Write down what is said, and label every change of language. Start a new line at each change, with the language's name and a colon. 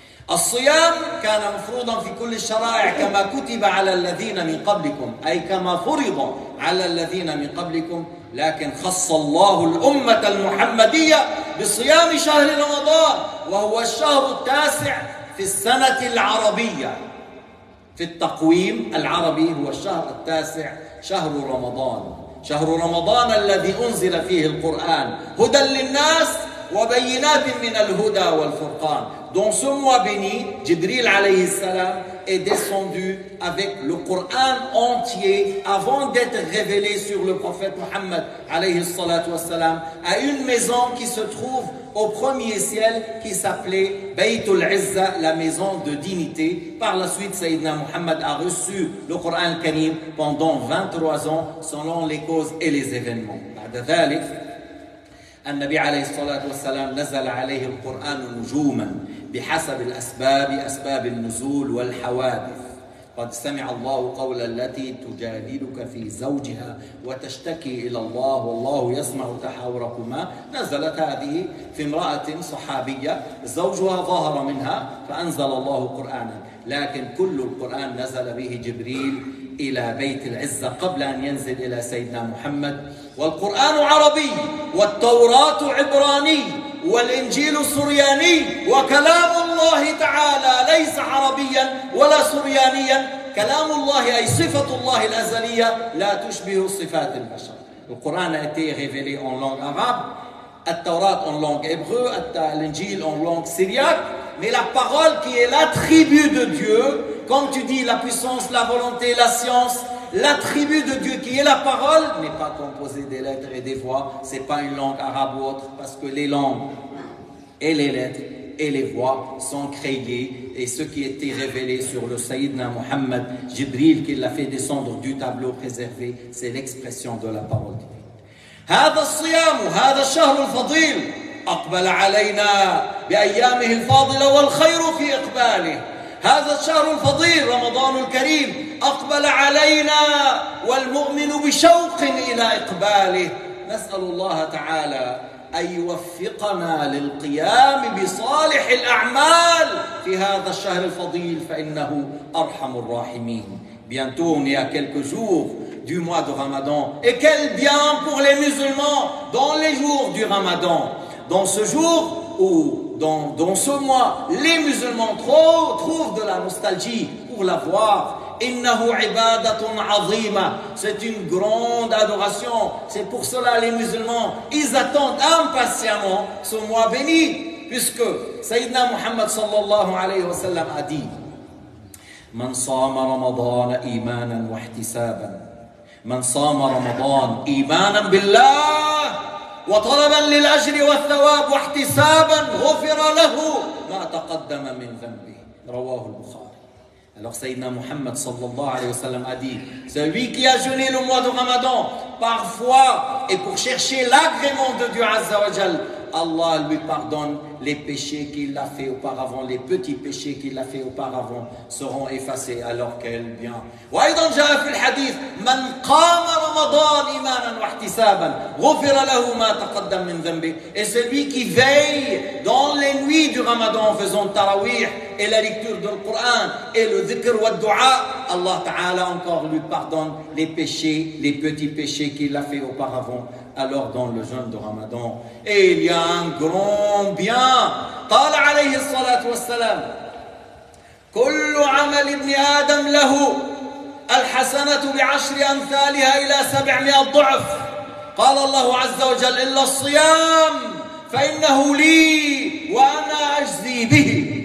Arabic: الصيام كان مفروضا في كل الشرائع كما كتب على الذين من قبلكم، أي كما فرض على الذين من قبلكم، لكن خص الله الأمة المحمدية بصيام شهر رمضان، وهو الشهر التاسع في السنة العربية. في التقويم العربي هو الشهر التاسع، شهر رمضان، شهر رمضان الذي أنزل فيه القرآن هدى للناس وبينات من الهدى والفرقان.
French: Donc ce mois béni, Jibril
Arabic: عليه السلام
French: est descendu avec le Coran entier avant d'être révélé sur le prophète Muhammad
Arabic: عليه الصلاة والسلام
French: à une maison qui se trouve au premier ciel qui s'appelait Baytul Izza, la maison de dignité. Par la suite, Sayyidina Muhammad a reçu le Coran Karim pendant 23 ans selon les causes et les événements.
Arabic: بعد ذلك النبي عليه الصلاة والسلام نزل عليه القرآن نجوما بحسب الأسباب، أسباب النزول والحوادث. قد سمع الله قول التي تجادلك في زوجها وتشتكي إلى الله والله يسمع تحاوركما. نزلت هذه في امرأة صحابية، زوجها ظهر منها فأنزل الله قرآنا، لكن كل القرآن نزل به جبريل إلى بيت العزة قبل أن ينزل إلى سيدنا محمد. والقرآن عربي، والتوراة عبراني، والإنجيل سرياني، وكلام الله تعالى ليس عربيا ولا سريانيا. كلام الله أي صفة الله الأزلية لا تشبه صفات البشر.
French: القرآن a été révélé en langue arabe,
Arabic: التوراة
French: en langue hébreu, l'Injil en langue syriaque. Mais la parole qui est l'attribut de Dieu, comme tu dis la puissance, la volonté, la science, l'attribut de Dieu qui est la parole, n'est pas composé des lettres et des voix. Ce n'est pas une langue arabe ou autre, parce que les langues et les lettres et les voix sont créées. Et ce qui a été révélé sur le Sayyidina Muhammad, Jibril, qui l'a fait descendre du tableau préservé, c'est l'expression de la parole divine.
Arabic: هذا الصيام هذا الشهر الفضيل أقبل علينا بأيامه الفاضلة والخير في إقباله. هذا الشهر الفضيل رمضان الكريم أقبل علينا والمؤمن بشوق إلى إقباله. نسأل الله تعالى أن يوفقنا للقيام بصالح الأعمال في هذا الشهر الفضيل، فإنه أرحم الراحمين.
French: Bientôt, on est à quelques jours du mois de Ramadan. Et quel bien pour les musulmans dans les jours du Ramadan. Dans ce jour ou dans ce mois, les musulmans trouvent de la nostalgie pour la voir.
Arabic: Innahu ibadatun azima.
French: C'est une grande adoration. C'est pour cela les musulmans, ils attendent impatiemment ce mois béni, puisque Sayyidina Muhammad
Arabic: sallallahu alayhi wa sallam
French: a dit:
Arabic: Man sama Ramadan imanan wa ihtisaban. Man sama Ramadan imanan billah وطلبا للأجر والثواب واحتسابا غفر له ما تقدم من ذنبه. رواه البخاري.
French: Alors Sayyidina Muhammad
Arabic: sallallahu alayhi wa sallam
French: a dit: celui qui a jeûné le mois de Ramadan par foi et pour chercher l'agrément de Dieu Azza wa Jal, Allah lui pardonne les péchés qu'il a fait auparavant, les petits péchés qu'il a fait auparavant seront effacés. Alors quel bien.
Arabic: وأيضا جاء في الحديث من قام رمضان إيمانا واحتسابا غفر له ما تقدم من ذنبه.
French: Et celui qui veille dans les nuits du Ramadan en faisant tarawih et la lecture du Coran et le dhikr wa du'a, Allah Ta'ala encore lui pardonne les péchés, les petits péchés qu'il a fait auparavant. Alors dans le jeûne de Ramadan, et il y a un grand bien.
Arabic: قال عليه الصلاة والسلام كل عمل ابن آدم له الحسنة بعشر أمثالها إلى 700 ضعف. قال الله عز وجل إلا الصيام فإنه لي وأنا أجزي به.